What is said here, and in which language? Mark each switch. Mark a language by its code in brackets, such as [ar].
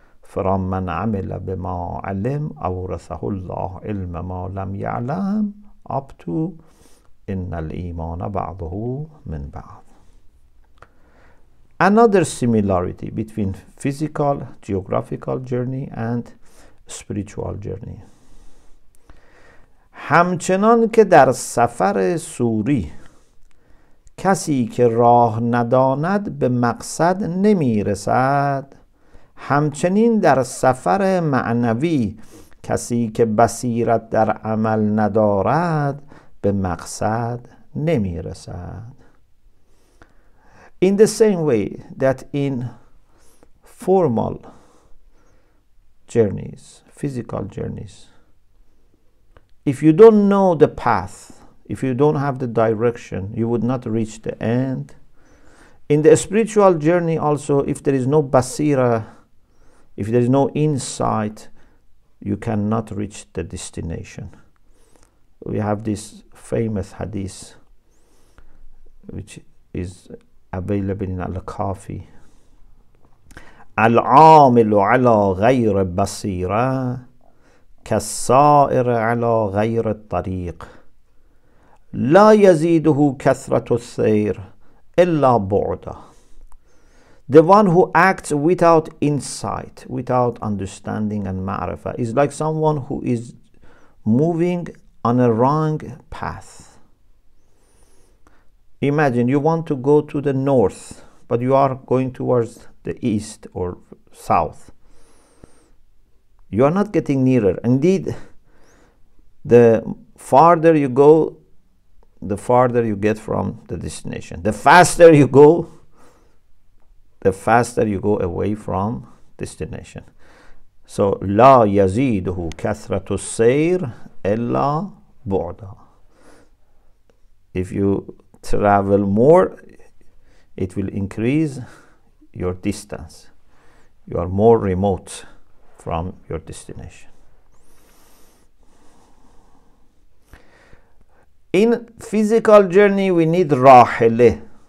[ar] فَرَمْ مَنْ عَمِلَ بِمَا عَلِمْ أَوْرَثَهُ اللَّهُ عِلْمَ مَا لَمْ يَعْلَمْ. Up to إِنَّ الْإِيمَانَ بَعْضُهُ مِنْ بَعْضٍ. [en] Another similarity between physical, geographical journey and spiritual journey. [fa] همچنان که در سفر سوری کسی که راه نداند به مقصد نمی رسد، همچنین در سفر معنوی کسی که بصیرت در عمل ندارد به مقصد نمی رسد. [en] In the same way that in formal journeys, physical journeys, if you don't know the path, if you don't have the direction, you would not reach the end. In the spiritual journey also, if there is no basira, if there is no insight, you cannot reach the destination. We have this famous hadith, which is available in Al-Kafi. [ar] Al-amilu ala ghayr basira كالسائر على غير الطريق لا يزيده كثرة السير إلا بعدا. [en] The one who acts without insight, without understanding and ma'rifah, is like someone who is moving on a wrong path. Imagine you want to go to the north, but you are going towards the east or south. You are not getting nearer. Indeed, the farther you go, the farther you get from the destination. The faster you go, the faster you go away from destination. [ar] So, لا يزيده كثرة السير إلا بعدا. [en] If you travel more, it will increase your distance. You are more remote from your destination. In physical journey, we need rahile.